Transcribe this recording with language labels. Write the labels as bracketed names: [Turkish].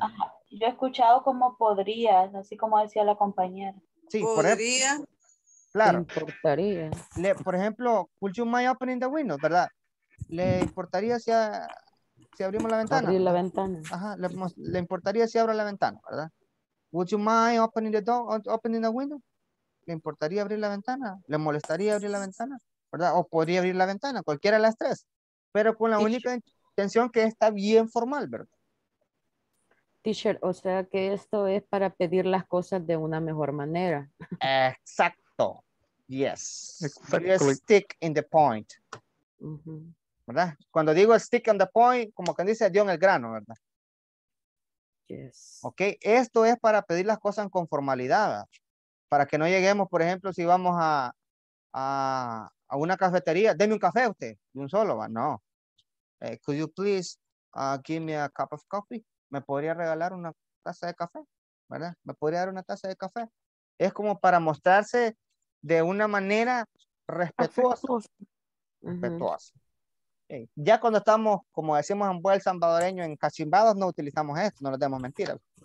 [Spanish] Ajá. Yo he escuchado como podría, así como decía la compañera. Sí, podría. Por claro. Le importaría. Le, por ejemplo, [English] would you mind opening the window, [Spanish] ¿verdad? ¿Le importaría si, a, si abrimos la ventana? Abrir la ventana. Ajá, le, le importaría si abro la ventana, ¿verdad? [English] Would you mind opening the door, opening the window? [Spanish] ¿Le importaría abrir la ventana? ¿Le molestaría abrir la ventana? ¿Verdad? O podría abrir la ventana, cualquiera de las tres. Pero con la única intención que está bien formal, ¿verdad? Teacher, o sea que esto es para pedir las cosas de una mejor manera. Exacto. [English] Yes. Exactly. Stick in the point. Uh-huh. [Spanish] ¿Verdad? Cuando digo [English] stick in the point, [Spanish] como quien dice, dio en el grano, ¿verdad? [English] Yes. [Spanish] Ok, esto es para pedir las cosas con formalidad. ¿Verdad? Para que no lleguemos, por ejemplo, si vamos a una cafetería, deme un café usted, de un solo, ¿va? No. [English] Could you please give me a cup of coffee? [Spanish] ¿Me podría regalar una taza de café? ¿Verdad? ¿Me podría dar una taza de café? Es como para mostrarse de una manera respetuosa. Uh-huh. Respetuosa. Okay. Ya cuando estamos, como decimos en buen salvadoreño, en cachimbados, no utilizamos esto, no nos demos mentiras.